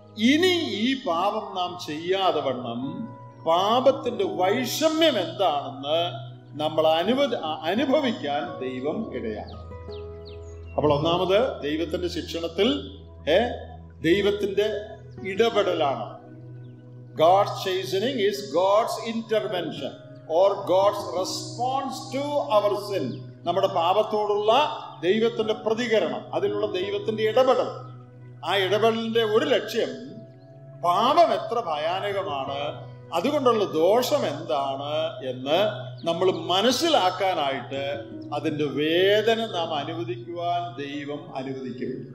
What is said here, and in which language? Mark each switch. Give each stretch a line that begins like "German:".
Malayalam: ഇനി ഈ പാപം നാം ചെയ്യാതെ വണ്ണം പാപത്തിന്റെ വൈഷമ്യം എന്താണെന്ന് നമ്മൾ അനുഭവിക്കാൻ ദൈവം ഇടയാണ്. അപ്പോൾ ഒന്നാമത് ദൈവത്തിന്റെ ശിക്ഷണത്തിൽ ദൈവത്തിന്റെ ഇടപെടലാണ്.
English: God's chastening is God's intervention or God's response to our sin.
Malayalam: നമ്മുടെ പാപത്തോടുള്ള ദൈവത്തിന്റെ പ്രതികരണം, അതിനുള്ള ദൈവത്തിന്റെ ഇടപെടൽ. ആ ഇടപെടലിന്റെ ഒരു ലക്ഷ്യം, പാപം എത്ര ഭയാനകമാണ്, അതുകൊണ്ടുള്ള ദോഷം എന്താണ് എന്ന് നമ്മൾ മനസ്സിലാക്കാനായിട്ട് അതിന്റെ വേദന നാം അനുവദിക്കുവാൻ ദൈവം അനുവദിക്കും.